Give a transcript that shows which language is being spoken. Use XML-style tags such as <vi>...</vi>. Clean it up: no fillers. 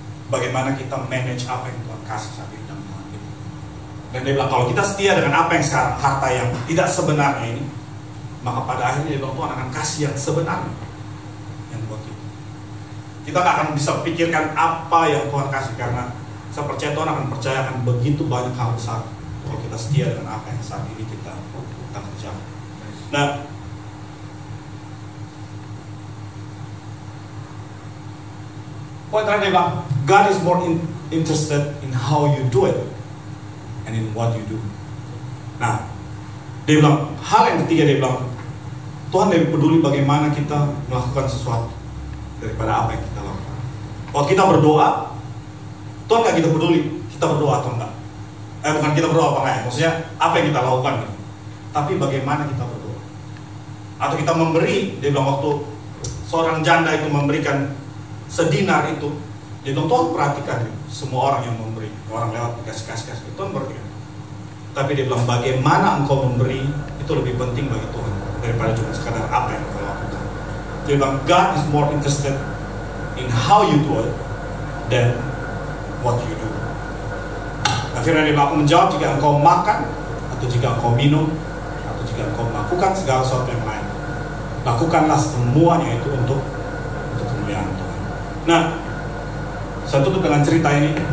<id>Bagaimana kita manage apa yang Tuhan kasih saat ini dalam tangan kita. Dan dia bilang kalau kita setia dengan apa yang sekarang, harta yang tidak sebenarnya ini, maka pada akhirnya dia bilang Tuhan akan kasih yang sebenarnya yang buat kita. Kita gak akan bisa pikirkan apa yang Tuhan kasih, karena saya percaya Tuhan akan percayakan begitu banyak hal besar kalau kita setia dengan apa yang saat ini kita kerjakan. Nah, poin terakhir bang,</id> <en>God is more interested in how you do it and in what you do.</en> <id>Nah, dia bilang hal yang ketiga, dia bilang Tuhan lebih peduli bagaimana kita melakukan sesuatu daripada apa yang kita lakukan. Kalau kita berdoa, Tuhan gak kita peduli kita berdoa atau enggak. Bukan kita berdoa apa enggak, maksudnya apa yang kita lakukan gitu. Tapi bagaimana kita berdoa atau kita memberi. Dia bilang waktu seorang janda itu memberikan sedinar itu, dia bilang Tuhan perhatikan gitu. Semua orang yang memberi, orang lewat kasih-kasih gitu. Tuhan perhatikan. Tapi dia bilang bagaimana engkau memberi itu lebih penting bagi Tuhan daripada cuma sekadar apa yang kita lakukan. Dia bilang</id> <en>God is more interested in how you do it than what you do.</en> <id>Akhirnya dia bilang, aku menjawab, jika engkau makan atau jika engkau minum atau jika engkau melakukan segala sesuatu yang lain, lakukanlah semuanya itu untuk kemuliaan Tuhan. Nah, saya tutup dengan cerita ini.</id>